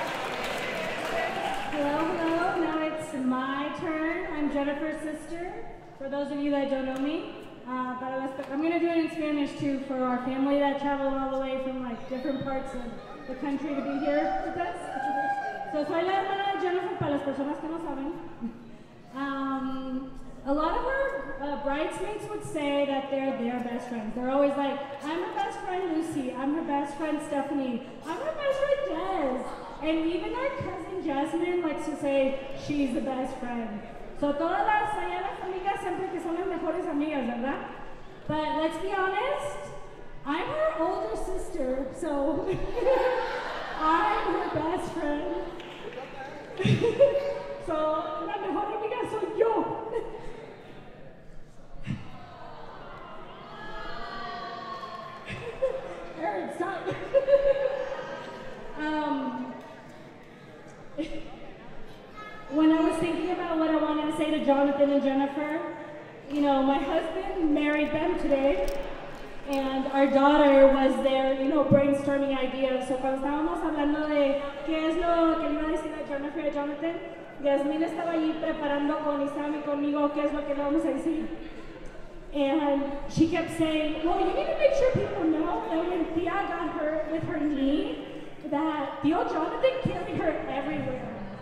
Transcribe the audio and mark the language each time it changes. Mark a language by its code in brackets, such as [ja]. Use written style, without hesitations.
[en] Well, hello, now it's my turn. I'm Jennifer's sister, for those of you that don't know me. But I'm gonna do it in Spanish too for our family that traveled all the way from like different parts of the country to be here with us. [es] So soy la hermana de Jennifer, para las personas que no saben. [en] A lot of our bridesmaids would say that they're their best friends. They're always like, I'm her best friend Lucy, I'm her best friend Stephanie, I'm her best friend Jez. And even our cousin Jasmine likes to say she's the best friend. [es] So todas las mañanas amigas siempre que son las mejores amigas, ¿verdad? [en] But let's be honest, I'm her older sister, so I'm her best friend. [es] So, la mejor amiga soy yo. [en] Eric, stop. When I was thinking about what I wanted to say to Jonathan and Jennifer, you know, my husband married them today, and our daughter was there, you know, brainstorming ideas. [es] So cuando estábamos hablando de qué es lo que le iba a decir a Jennifer y a Jonathan, Yasmin estaba allí preparando con Isam y conmigo qué es lo que le vamos a decir. [en] And she kept saying, well, you need to make sure people know that when Tia got hurt with her knee, that Tio Jonathan carried her everywhere.